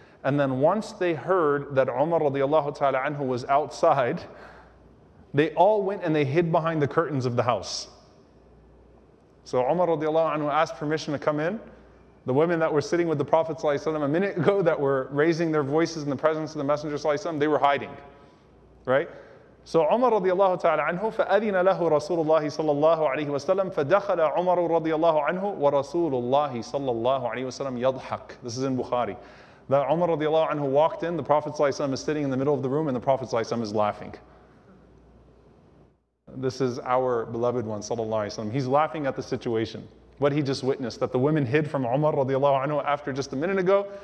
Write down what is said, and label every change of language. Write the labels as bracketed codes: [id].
[en] And then once they heard that Umar radiallahu ta'ala anhu was outside, they all went and they hid behind the curtains of the house. So Umar radiallahu anhu asked permission to come in. The women that were sitting with the Prophet sallallahu alayhi wa sallam a minute ago that were raising their voices in the presence of the Messenger sallallahu alayhi wa sallam, they were hiding, right? [ar] So Umar radiallahu ta'ala anhu, فَأَذِنَ لَهُ رَسُولُ اللَّهِ صَلَى اللَّهُ عَلَيْهِ وَسَلَمْ فَدَخَلَ عُمَرُ رَضِيَ اللَّهُ عَنْهُ وَرَسُولُ اللَّهِ صَلَى اللَّهُ عَلَيْهِ وَسَلَمْ يَضْحَكُ. [en] This is in Bukhari. That Umar radiallahu anhu walked in, the Prophet sallallahu alayhi wa sallam is sitting in the middle of the room, and the Prophet sallallahu alayhi wa sallam is laughing. This is our beloved one, sallallahu alayhi wa sallam. He's laughing at the situation. what he just witnessed, that the women hid from Umar radiallahu anhu after just a minute ago.